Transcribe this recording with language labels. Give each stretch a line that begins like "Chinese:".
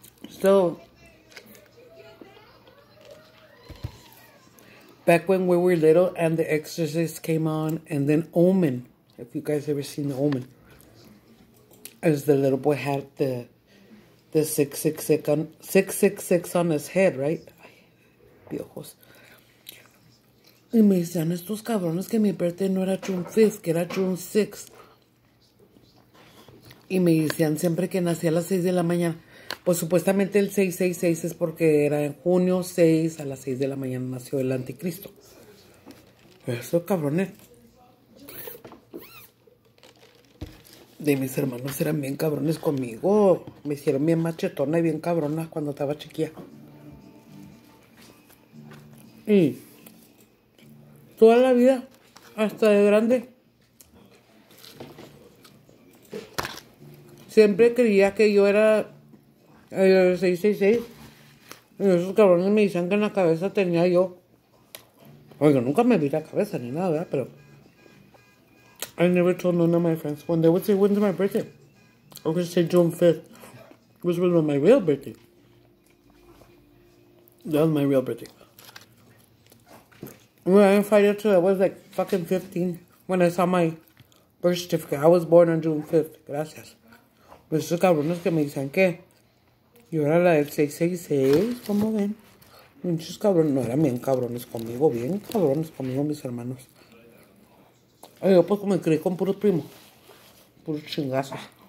English: So, back when we were little and The Exorcist came on, and then Omen, if you guys ever seen The Omen, as the little boy had the 666 on his head, right?
Spanish: Piojos. Y me decían estos cabrones que mi birthday no era
English: June 5th,
Spanish: que era
English: June 6th.
Spanish: Y me decían siempre que nací a las 6 de la mañana. Pues supuestamente el 666 es porque era en junio 6, a las 6 de la mañana nació el anticristo. Eso, cabrones. De mis hermanos eran bien cabrones conmigo. Me hicieron bien machetona y bien cabrona cuando estaba chiquilla. Y toda la vida, hasta de grande, siempre creía que yo era el 666. Y esos cabrones me decían que en la cabeza tenía yo. Oye, nunca me vi la cabeza ni nada, ¿verdad?
English: Pero I never told none of my friends when they would say when's my birthday. I would say June 5th, which was my real birthday. That was my real birthday. When I invited to, I was like fucking 15 when I saw my birth certificate. I was born on June 5th.
Spanish: Gracias. Pero esos cabrones que me dicen que yo era la del 666, ¿cómo ven? Muchos cabrones, no eran bien cabrones conmigo, bien cabrones conmigo mis hermanos. Y yo pues me crié con puros primos, puros chingazos.